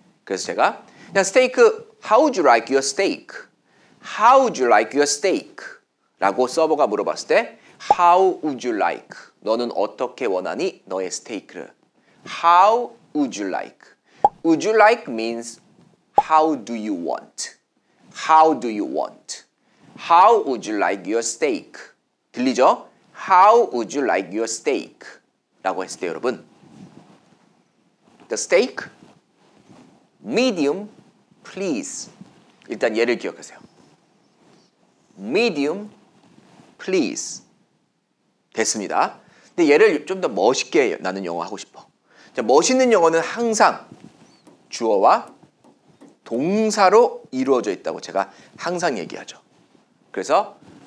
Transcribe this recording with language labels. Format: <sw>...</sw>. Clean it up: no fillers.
<ko>그래서 제가 그냥</ko> <en>steak, how would you like your steak? How would you like your steak?</en> <ko>라고 서버가 물어봤을 때</ko> <en>how would you like?</en> <ko>너는 어떻게 원하니 너의 스테이크를?</ko> <en>How would you like? Would you like means how do you want? How do you want? How would you like your steak?</en> <ko>들리죠?</ko> <en>How would you like your steak?</en> <ko>라고 했을 때 여러분</ko> <en>The steak? Medium, please.</en> <ko>일단 얘를 기억하세요.</ko> <en>Medium, please.</en> <ko>됐습니다. 근데 얘를 좀 더 멋있게 나는 영어 하고 싶어. 자, 멋있는 영어는 항상 주어와 동사로 이루어져 있다고 제가 항상 얘기하죠. 그래서</ko>